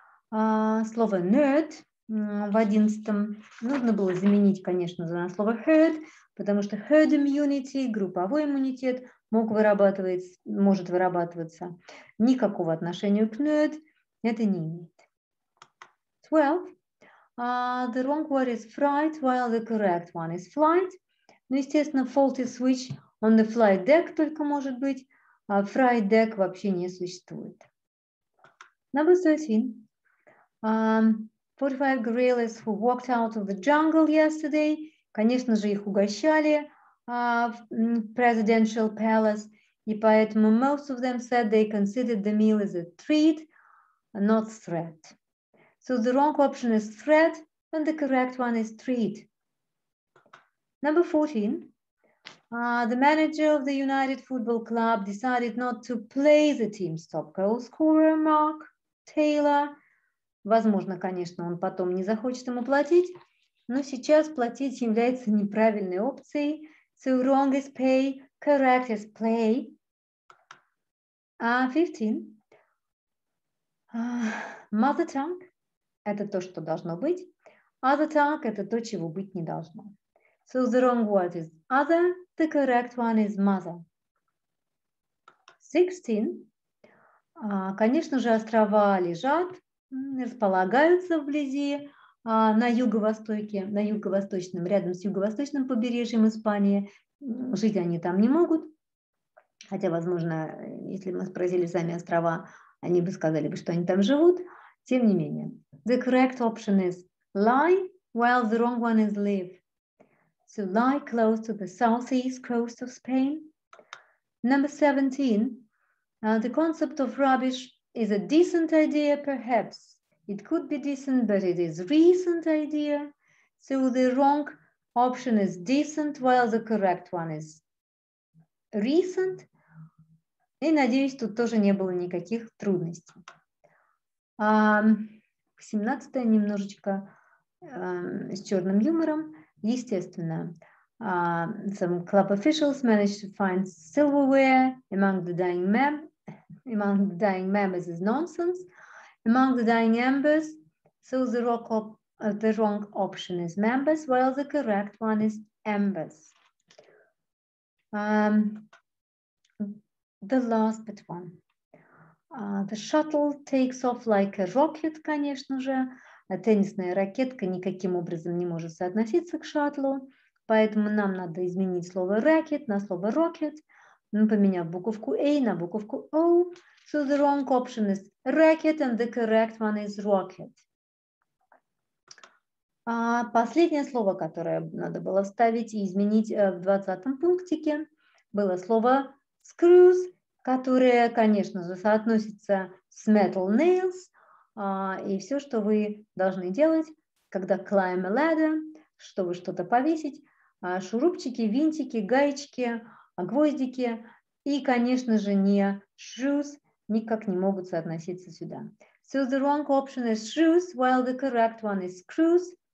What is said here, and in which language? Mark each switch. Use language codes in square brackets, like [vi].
[ru] Слово nerd в 11-м нужно было заменить, конечно, на слово herd, потому что herd immunity, групповой иммунитет, может вырабатываться. Никакого отношения к nerd это не имеет. 12. [en] The wrong word is fright, while the correct one is flight. [ru] Ну, естественно, [en] faulty switch on the flight deck [ru] только может быть, а [en] flight deck [ru] вообще не существует. [en] Number 13. 45 gorillas who walked out of the jungle yesterday. [ru] Конечно же, их угощали в [en] presidential palace, [ru] и поэтому [en] most of them said they considered the meal as a treat, not threat. So the wrong option is threat, and the correct one is treat. Number 14, the manager of the United Football Club decided not to play the team's top goal scorer, Mark Taylor. [ru] Возможно, конечно, он потом не захочет ему платить, но сейчас платить является неправильной опцией. [en] So wrong is pay, correct is play. 15, mother tongue – [ru] это то, что должно быть. [en] Other tongue [ru] – это то, чего быть не должно. [en] So the wrong word is other, the correct one is mother. 16. [ru] Конечно же, острова лежат, располагаются вблизи, на юго-востоке, на юго-восточном, рядом с юго-восточным побережьем Испании. Жить они там не могут. Хотя, возможно, если бы мы спросили сами острова, они бы сказали, что они там живут. Тем не менее. [en] The correct option is lie, while the wrong one is live. So lie close to the southeast coast of Spain. Number 17. The concept of rubbish is a decent idea, perhaps. It could be decent, but it is a recent idea. So the wrong option is decent, while the correct one is recent. [ru] И надеюсь, тут тоже не было никаких трудностей. 17-е немножечко с черным юмором. Естественно, [en] some club officials managed to find silverware among the dying members is nonsense, among the dying embers, so the wrong option is members, while the correct one is embers. The last but one. The shuttle takes off like a rocket, [ru] конечно же. Теннисная ракетка никаким образом не может соотноситься к шаттлу, поэтому нам надо изменить слово racket на слово rocket, поменяв буковку A на буковку O. [en] So the wrong option is racket and the correct one is rocket. [ru] А последнее слово, которое надо было вставить и изменить в 20-м пунктике, было слово screws, которое, конечно же, соотносится с [en] metal nails. [ru] И все, что вы должны делать, когда [en] climb a ladder, [ru] чтобы что-то повесить, шурупчики, винтики, гаечки, гвоздики и, конечно же, не shoes никак не могут соотноситься сюда. [en] So the wrong option is shoes, while the correct one is screws.